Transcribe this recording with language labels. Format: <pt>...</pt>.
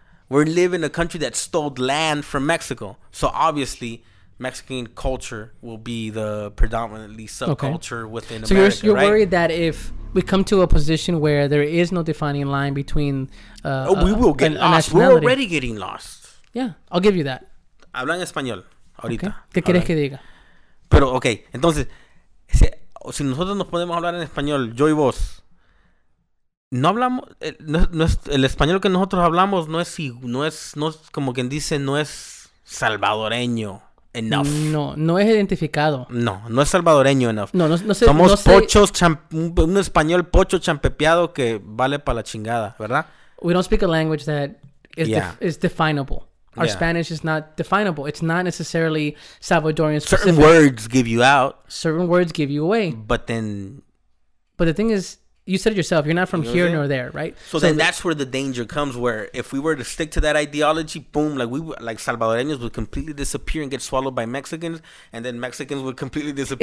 <en>We live in a country that stole land from Mexico. So obviously, Mexican culture will be the predominantly subculture within America. So you're worried that if we come to a position where there is no defining line between We will get lost. We're already getting lost. Yeah, I'll give you that.</en> <es>Habla en español ahorita. Okay. ¿Qué quieres que diga? Pero, okay, entonces, si nosotros nos podemos hablar en español, yo y vos, no hablamos, el español que nosotros hablamos no es como quien dice, no es salvadoreño.</es> <en>Enough.</en> <es>No es identificado. No es salvadoreño enough. No sé. Somos no pochos, sé. Un español pocho champepeado que vale para la chingada, ¿verdad?</es> <en>We don't speak a language that is definable. Our Spanish is not definable. It's not necessarily Salvadorian specific. Certain words give you out. Certain words give you away. But the thing is, you said it yourself, you're not from here nor there, right? So then that's where the danger comes, where if we were to stick to that ideology, boom, like Salvadoreños would completely disappear and get swallowed by Mexicans, and then Mexicans would completely disappear.</en>